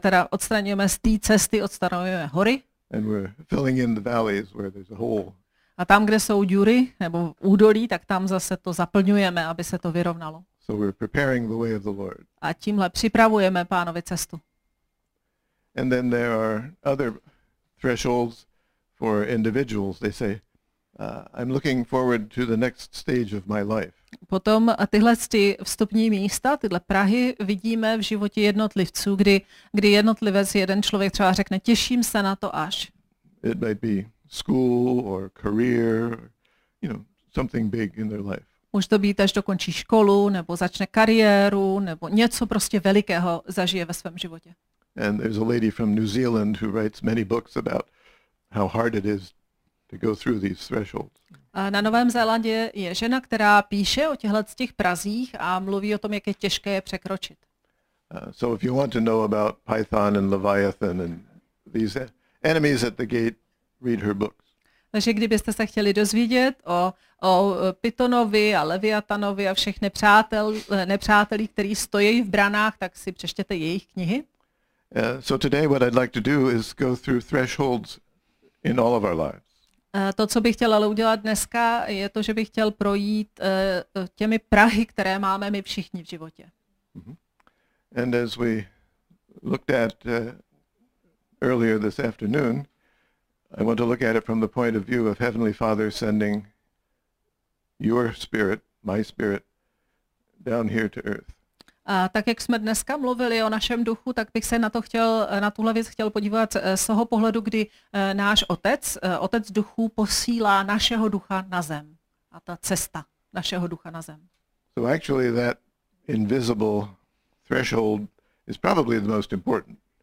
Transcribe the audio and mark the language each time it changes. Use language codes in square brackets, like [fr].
[cs] Odstraňujeme z té cesty, odstraňujeme hory. [en] And we're filling in the valleys where there's a hole. [cs] A tam, kde jsou díry nebo údolí, tak tam zase to zaplňujeme, aby se to vyrovnalo. [en] So we're preparing the way of the Lord. [cs] A tímhle připravujeme Pánovi cestu. [en] And then there are other thresholds for individuals. They say, I'm looking forward to the next stage of my life. [cs] Potom tyhle ty vstupní místa, tyhle Prahy, vidíme v životě jednotlivců, kdy jednotlivec, jeden člověk třeba řekne, těším se na to až. [en] It might be school or career, you know, something big in their life. [cs] Může to být, až dokončí školu, nebo začne kariéru, nebo něco prostě velikého zažije ve svém životě. [en] And there's a lady from New Zealand who writes many books about how hard it is to go through these thresholds. [cs] A na Novém Zélandě je žena, která píše o těchhle těch prazích a mluví o tom, jak je těžké je překročit. [en] So if you want to know about Python and Leviathan and these enemies at the gate, read her books. [cs] Takže kdybyste se chtěli dozvědět o Pythonovi a Leviatanovi a všech nepřátelích, kteří stojí v branách, tak si přečtěte jejich knihy. [en] So today what I'd like to do is go through thresholds in all of our lives. [cs] To, co bych chtěl ale udělat dneska, je to, že bych chtěl projít těmi prahy, které máme my všichni v životě. [en] And as we looked at earlier this afternoon, I want to look at it from the point of view of Heavenly Father sending your spirit, my spirit, down here to earth. [cs] A tak jak jsme dneska mluvili o našem duchu, tak bych se na tuhle věc chtěl podívat z toho pohledu, kdy náš otec duchu posílá našeho ducha na zem. A ta cesta našeho ducha na zem. [en] So actually that invisible threshold is probably the most important.